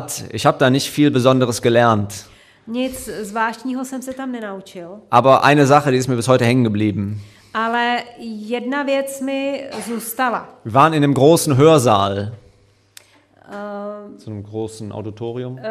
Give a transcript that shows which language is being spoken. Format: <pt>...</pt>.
<de>ich habe da nicht viel Besonderes gelernt.</de> <cs>Nic zvláštního jsem se tam nenaučil.</cs> <de>Aber eine Sache, die ist mir bis heute hängen geblieben.</de> <cs>Ale jedna věc mi zůstala.</cs> <de>Wir waren in einem großen Hörsaal. Zu einem großen Auditorium.</de>